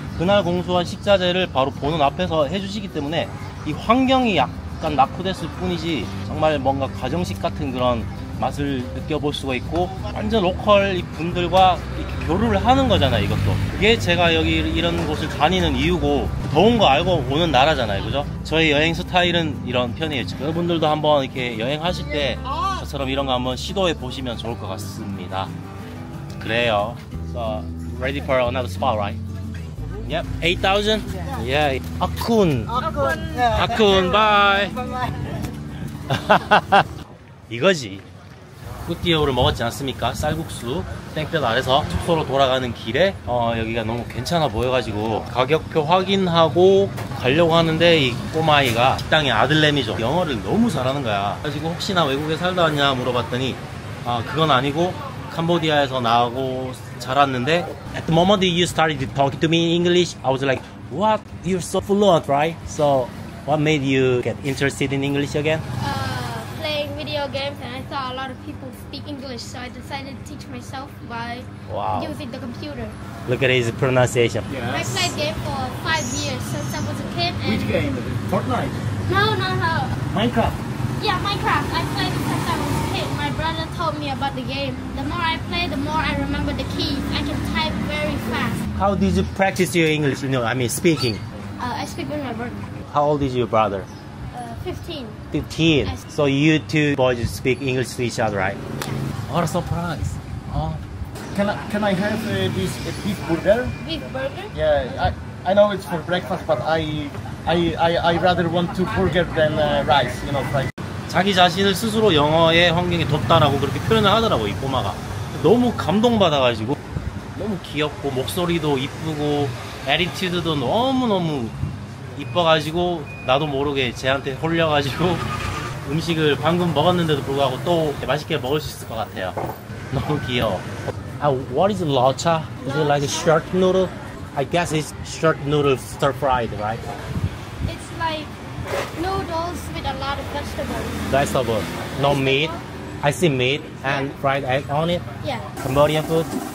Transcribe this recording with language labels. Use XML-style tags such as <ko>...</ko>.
<ko>그날 공수한 식자재를 바로 보는 앞에서 해주시기 때문에 이 환경이 약간 낙후됐을 뿐이지 정말 뭔가 가정식 같은 그런 맛을 느껴볼 수가 있고 완전 로컬 분들과 이렇게 교류를 하는 거잖아요. 이것도 그게 제가 여기 이런 곳을 다니는 이유고. 더운 거 알고 오는 나라잖아요, 그죠? 저의 여행 스타일은 이런 편이에요. 여러분들도 한번 이렇게 여행하실 때 라카처럼 이런 거 한번 시도해 보시면 좋을 것 같습니다. 그래요.</ko> <en>So, ready for another spot, right? Yep, 8,000? Yeah.</en> <km>아쿤. 아쿤. 아쿤,</km> <en>bye. Bye-bye.</en> <ko>이거지. 꾸띠오를 먹었지 않습니까? 쌀국수. 땡볕 아래서 숙소로 돌아가는 길에 여기가 너무 괜찮아 보여가지고 가격표 확인하고 가려고 하는데 이 꼬마아이가 식당의 아들내미죠. 영어를 너무 잘하는 거야. 그래가지고 혹시나 외국에 살다 왔냐 물어봤더니 그건 아니고 캄보디아에서 나오고 자랐는데</ko> <en>At the moment you started talking to me in English, I was like, what? You're so fluent, right? So what made you get interested in English again? Playing video games, and I saw a lot of people speak English, so I decided to teach myself by using the computer. Look at his pronunciation. Yes. I played game for 5 years since I was a kid. Which game? Fortnite? No. Minecraft? Yeah, Minecraft. I played it since I was a kid. My brother told me about the game. The more I play, the more I remember the keys. I can type very fast. How did you practice your English? You know, I mean speaking. I speak with my brother. How old is your brother? 15. So you two boys speak English to each other, right? What a surprise! Can I have this beef burger? Beef burger? Yeah, I know it's for breakfast, but I rather want to burger than rice, you know, fried.</en> <ko>자기 자신을 스스로 영어의 환경에 돕다라고 그렇게 표현을 하더라고 이 꼬마가. 너무 감동받아가지고 너무 귀엽고 목소리도 이쁘고 attitude도 너무 이뻐가지고 나도 모르게 쟤한테 홀려가지고 음식을 방금 먹었는데도 불구하고 또 맛있게 먹을 수 있을 것 같아요. 너무 귀여워.</ko> <en>What is lacha? Is it like a shark noodle? I guess it's shark noodle stir fried, right? It's like noodles with a lot of vegetables. Vegetables, no meat. I see meat and fried egg on it. Yeah. Cambodian food?</en>